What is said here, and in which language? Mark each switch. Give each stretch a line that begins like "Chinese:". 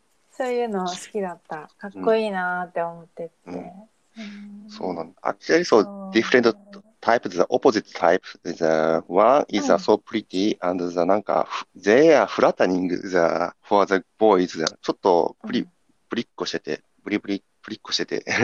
Japanese: そういうの好きだった。かっこいいなって思ってて。
English: So, actually, so different types, the opposite types. The one is so pretty, and the, なんか they are flattering the, for the boys.
Japanese: ちょっとブリッコしてて、ブリブリブリッコしてて。